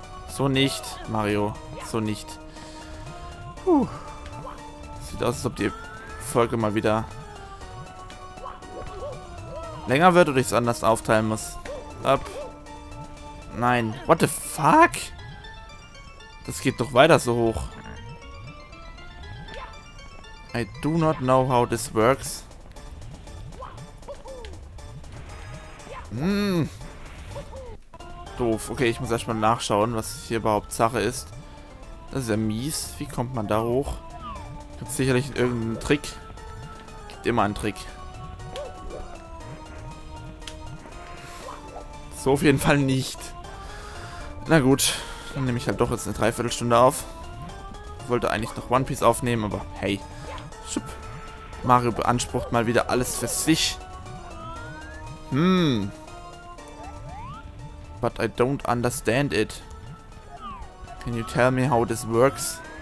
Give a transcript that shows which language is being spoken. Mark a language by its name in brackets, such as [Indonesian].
[German] So nicht, Mario. So nicht. Puh. Sieht aus, als ob die Folge mal wieder... länger wird oder ich es anders aufteilen muss. Up. Nein. [English] What the fuck? [German] Das geht doch weiter so hoch. [English] I do not know how this works. [German] Doof. Okay, ich muss erstmal nachschauen, was hier überhaupt Sache ist. Das ist ja mies. Wie kommt man da hoch? Gibt sicherlich irgendeinen Trick. Gibt immer einen Trick. So auf jeden Fall nicht. Na gut. Dann nehme ich halt doch jetzt eine Dreiviertelstunde auf. Wollte eigentlich noch One Piece aufnehmen, aber hey. Schupp. Mario beansprucht mal wieder alles für sich. [English] But I don't understand it. Can you tell me how this works?